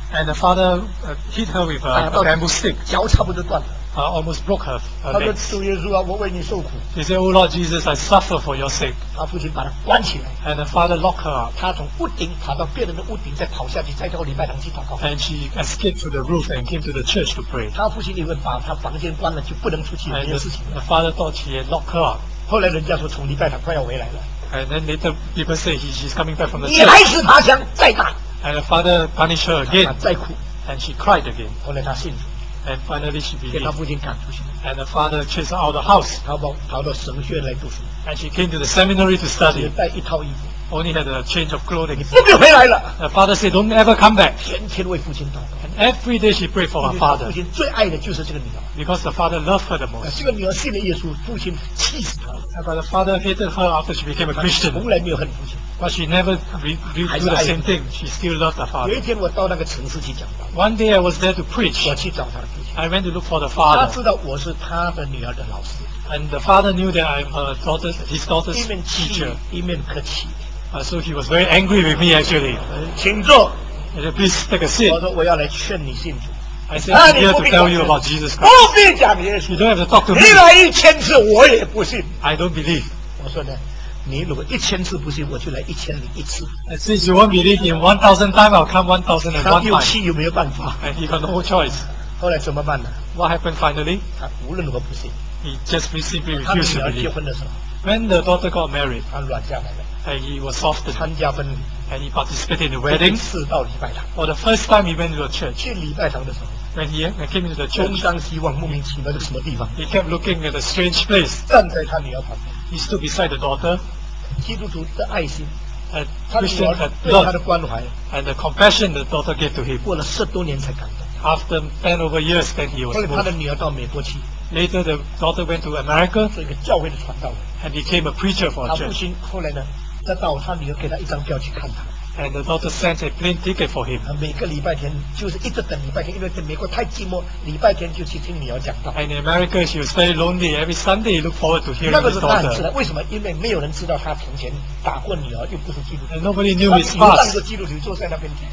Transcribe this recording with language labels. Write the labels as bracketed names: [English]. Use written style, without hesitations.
[English] And the father hit her with a bamboo stick [Chinese] 脚差不多断了 [English] almost broke her leg. [Chinese] 他说主耶稣啊我为你受苦 [English] He said oh Lord Jesus I suffer for your sake [Chinese] 他父亲把他关起来 [English] And the father locked her up [Chinese] 他从屋顶爬到别人的屋顶再跑下去再到礼拜堂去祷告 [English] And she escaped to the roof and came to the church to pray [Chinese] 他父亲以为把他房间关了就不能出去 [English] And the father thought he had locked her up [Chinese] 后来人家说从礼拜堂快要回来了 [English] And then later people say he's coming back from the church [Chinese] 你来死爬墙再打 [English] And the father punished her again [Chinese] 再哭 [English] And she cried again [Chinese] 后来他信主 [English] And finally she believed. And the father chased her out of the house. [Chinese] 跑到神学院来读书。 [English] And she came to the seminary to study. [Chinese] 只带一套衣服。 [English] Only had a change of clothing. [Chinese] 你不必回来了。 [English] The father said, don't ever come back. [Chinese] 天天为父亲祷告。 [English] And every day she prayed for her father. [Chinese] 父亲最爱的就是这个女儿。 [English] Because the father loved her the most. [Chinese] 这个女儿信了耶稣，父亲气死她了。 [English] But the father hated her after she became a Christian. [Chinese] 从来没有恨父亲。 [English] But she never do the same thing. She still loved the father. [Chinese] 有一天我到那个城市去讲道。 [English] One day I was there to preach. [Chinese] 我去找他的父亲。 [English] I went to look for the father. [Chinese] 他知道我是他的女儿的老师。 [English] And the father knew that I'm her daughter, his daughter's teacher. [Chinese] 一面客气。 [English] So he was very angry with me actually. [Chinese] 请坐。 [English] Please take a seat. [Chinese] 我说我要来劝你信主。 [English] I said I'm here to tell you about Jesus Christ. [Chinese] 不必讲耶稣。 [English] You don't have to talk to me. [Chinese] 你来一千次我也不信。 [English] I don't believe. [Chinese] 我说呢。你如果一千次不信，我就来一千零一次。 [English] Since you won't believe in 1,000 times, I'll come 1,001 times. [Chinese] 他又气又没有办法。 [English] And he got no choice. [Chinese] 后来怎么办呢 [English] ？What happened finally? [Chinese] 他无论如何不信。 [English] He just simply refused to believe. [Chinese] 他女儿结婚的时候 [English] ，When the daughter got married, [Chinese] 他软下来了。 [English] And he was soft. [Chinese] 参加婚礼。 [English] And he participated in the wedding. [Chinese] 第一次到礼拜堂。 [English] Or the first time he went to the church. [Chinese] 去礼拜堂的时候。 [English] When he came into the church, [Chinese] 东张西望，莫名其妙的什么地方 [English] ？He kept looking at a strange place. [Chinese] 站在他女儿旁边。 [English] He stood beside the daughter. [Chinese] 基督徒的爱心 [English] and [Chinese] 他女儿对他的关怀 [English] and the compassion the daughter gave to him. [Chinese] 过了十多年才感动 [English] After 10 over years, then he was. [Chinese] 后来他的女儿到美国去 [English] Later, the daughter went to America. [Chinese] 做一个教会的传道人 [English] and became a preacher for a church. [Chinese] 他父亲后来呢，再到他女儿给他一张票去看他。 [English] And the daughter sent a plane ticket for him. [Chinese] 每个礼拜天就是一直等礼拜天，因为在美国太寂寞，礼拜天就去听女儿讲道。 [English] And in America, she was very lonely. Every Sunday, look forward to hearing his daughter. [Chinese] 那个是当然是的，为什么？因为没有人知道他从前打过女儿，又不是基督徒。 [English] And nobody knew his past. [Chinese] 他一个基督徒坐在那边听。